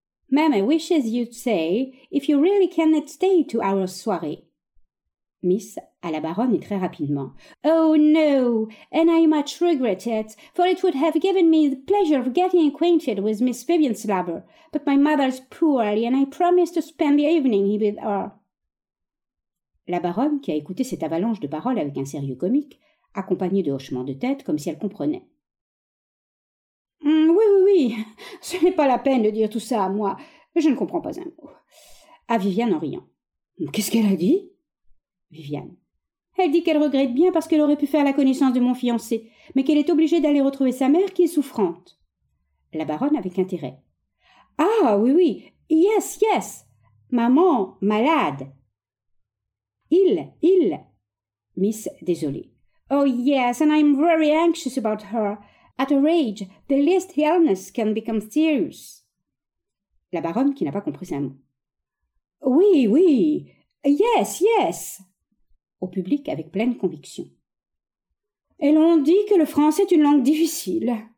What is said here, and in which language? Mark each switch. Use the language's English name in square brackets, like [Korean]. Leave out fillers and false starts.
[English] Ma'am, I wish as you'd say, if you really cannot stay to our soirée. [French] Miss à la baronne et très rapidement. [English] Oh no, and I much regret it, for it would have given me the pleasure of getting acquainted with Miss Vivian's lover. But my mother's poorly, and I promise to spend the evening with her. [French] La baronne, qui a écouté cette avalanche de paroles avec un sérieux comique, accompagnée de hochements de tête comme si elle comprenait. Oui, ce n'est pas la peine de dire tout ça à moi. Je ne comprends pas un mot. À Viviane en riant. Qu'est-ce qu'elle a dit? Viviane. Elle dit qu'elle regrette bien parce qu'elle aurait pu faire la connaissance de mon fiancé, mais qu'elle est obligée d'aller retrouver sa mère qui est souffrante. La baronne avec intérêt. Ah, oui, [English] yes, [French] maman, malade. Il. Miss, désolée. [English] Oh yes, and I'm very anxious about her. At her age, the least illness can become serious. [French] La baronne qui n'a pas compris un mot. Oui, oui, [English] yes, yes. [French] Au public avec pleine conviction. Et l'on dit que le français est une langue difficile.